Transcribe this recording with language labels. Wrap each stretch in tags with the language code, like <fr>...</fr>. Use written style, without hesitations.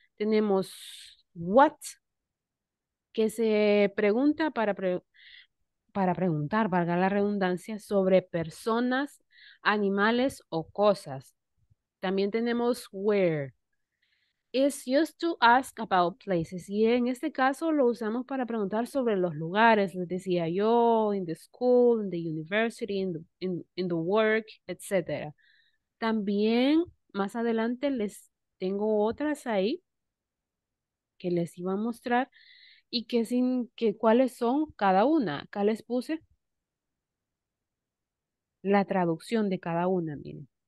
<es>Tenemos what, que se pregunta para preguntar, valga la redundancia, sobre personas, animales o cosas. También tenemos</es> <en>where. It's used to ask about places.</en> <es>Y en este caso lo usamos para preguntar sobre los lugares. Les decía yo,</es> <en>in the school, in the university, in the work, etc.</en> <es>También, más adelante les tengo otras ahí que les iba a mostrar. ¿Y qué sin que cuáles son cada una? Acá les puse la traducción de cada una, miren.</es>